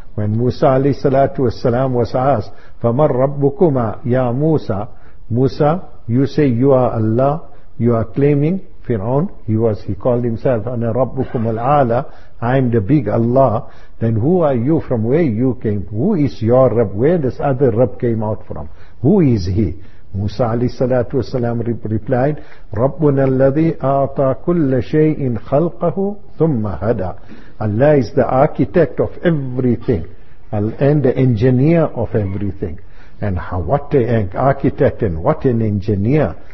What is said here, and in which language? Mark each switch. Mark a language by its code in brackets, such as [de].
[en] When Musa alayhi salatu wasalam was asked, [ar] فَمَا رَبُّكُمَا يَا مُوسَى. [en] Musa, you say you are Allah, you are claiming Fir'aun, he called himself [ar] أَنَا رَبُّكُمَ الْعَالَى. [en] I am the big Allah. Then who are you? From where you came? Who is your Rabb? Where this other Rabb came out from? Who is he? Musa alayhi salatu wasalam replied, [ar] رَبُّنَا الَّذِي أَعْطَى كُلَّ شَيْءٍ خَلْقَهُ ثُمَّ هَدَى. [en] Allah is the architect of everything and the engineer of everything. And how, what an architect and what an engineer.